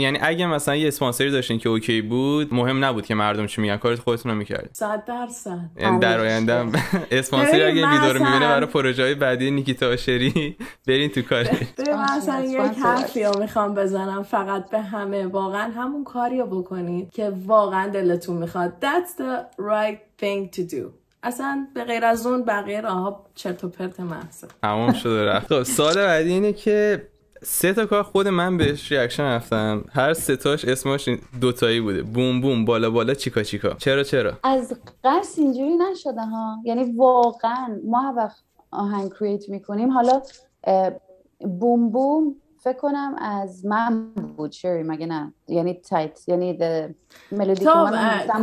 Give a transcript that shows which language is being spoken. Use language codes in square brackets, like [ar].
[fa] یعنی اگه مثلا یه اسپانسری داشتین که اوکی بود، مهم نبود که مردم چی میگن، کارت خودتون رو میکردین. 100%. یعنی در آینده اسپانسری اگه ویدیو رو میبینه برای پروژه‌های بعدی نیکیتا آشری، برین تو کارش. من مثلا یک حرفی میخوام بزنم فقط به همه، واقعا همون کاریو بکنید که واقعا دلتون میخواد. [en] That's the right thing to do. [fa] اصلا به غیر از اون بقیه راه ها چرت و پرت محصه. تمام شد رفت. خب سوال بعدی اینه که سه تا کار خود من بهش ریاکشن رفتم، هر سه تاش اسمش دوتایی بوده، بوم بوم بالا بالا چیکا چیکا، چرا چرا؟ از قصد اینجوری نشده ها، یعنی واقعا ما هر وقت آهنگ کرییت میکنیم، حالا بوم بوم فکر کنم از من بود شری مگه نه، یعنی تایت، یعنی ده ملودی که من نمیستم